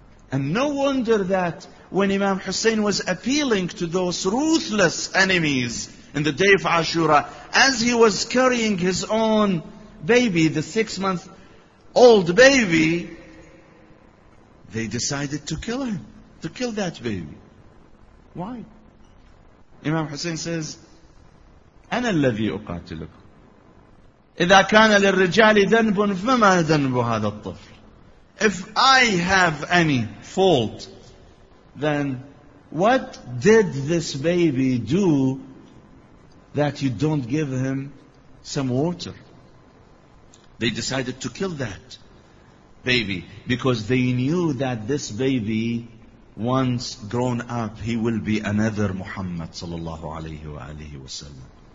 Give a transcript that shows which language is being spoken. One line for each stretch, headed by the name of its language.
English: And no wonder that when Imam Hussein was appealing to those ruthless enemies in the day of Ashura, as he was carrying his own baby, the 6 month old baby, they decided to kill him, to kill that baby. Why? Imam Hussein says,
Arabic: أَنَا الَّذِي أُقَاتِلُكُمْ إِذَا كَانَ لِلرِّجَالِ ذَنْبٌ فَمَا ذَنْبُ هَذَا الطَّفْلِ.
English: If I have any fault, then what did this baby do that you don't give him some water? They decided to kill that baby because they knew that this baby, once grown up, he will be another Muhammad sallallahu alayhi wa alayhi wa sallam.